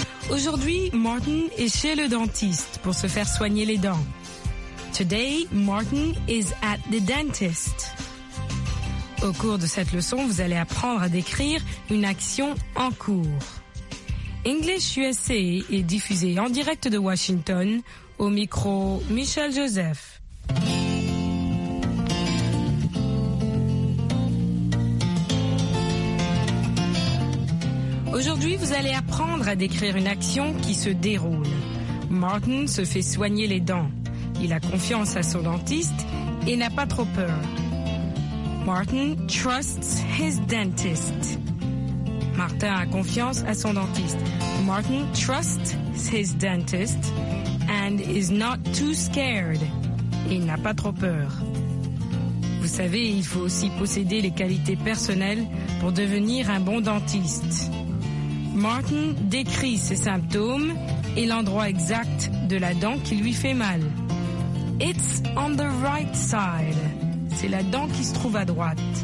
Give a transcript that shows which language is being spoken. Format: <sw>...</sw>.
<fr>Aujourd'hui, Martin est chez le dentiste pour se faire soigner les dents.</fr> <en>Today, Martin is at the dentist.</en> <fr>Au cours de cette leçon, vous allez apprendre à décrire une action en cours. English USA est diffusé en direct de Washington, au micro Michelle Joseph. Aujourd'hui, vous allez apprendre à décrire une action qui se déroule. Martin se fait soigner les dents. Il a confiance à son dentiste et n'a pas trop peur.</fr> <en>Martin trusts his dentist.</en> <fr>Martin a confiance à son dentiste.</fr> <en>Martin trusts his dentist and is not too scared.</en> <fr>Il n'a pas trop peur. Vous savez, il faut aussi posséder les qualités personnelles pour devenir un bon dentiste. Martin décrit ses symptômes et l'endroit exact de la dent qui lui fait mal.</fr> <en>It's on the right side.</en> <fr>C'est la dent qui se trouve à droite.</fr>